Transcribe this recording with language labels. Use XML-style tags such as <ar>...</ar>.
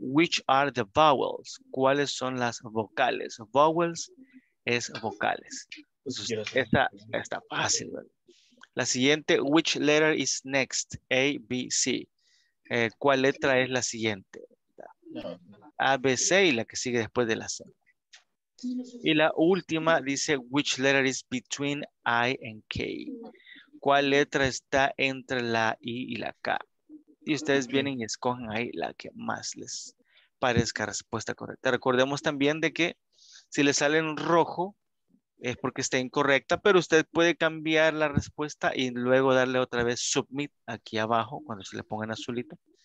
<en>Which are the vowels?</en> <es>¿Cuáles son las vocales? Vowels es vocales. Está fácil, ¿verdad? La siguiente,</es> <en>which letter is next? A, B, C.</en> <es>¿Cuál letra es la siguiente? A, B, C y la que sigue después de la C. Y la última dice,</es> <en>which letter is between I and K?</en> <es>¿Cuál letra está entre la I y la K? Y ustedes vienen y escogen ahí la que más les parezca respuesta correcta. Recordemos también de que si le sale en rojo, es porque está incorrecta, pero usted puede cambiar la respuesta y luego darle otra vez submit aquí abajo, cuando se le ponga en azulito.</es>